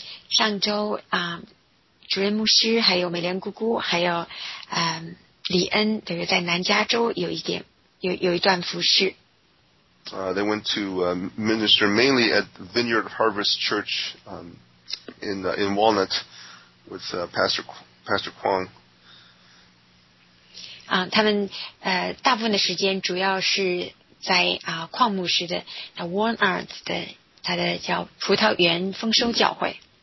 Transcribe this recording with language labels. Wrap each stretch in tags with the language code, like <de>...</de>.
<zh>上周, 主任牧师, 还有美莲姑姑, 还有, 李恩, 在南加州有一点, 有一段服饰。</zh> <en>They went to minister mainly at Vineyard Harvest Church in Walnut with Pastor Kwong.</en> <zh>他们, 大部分的时间主要是在, 矿牧师的, Walnut的, 他的叫葡萄园丰收教会。</zh>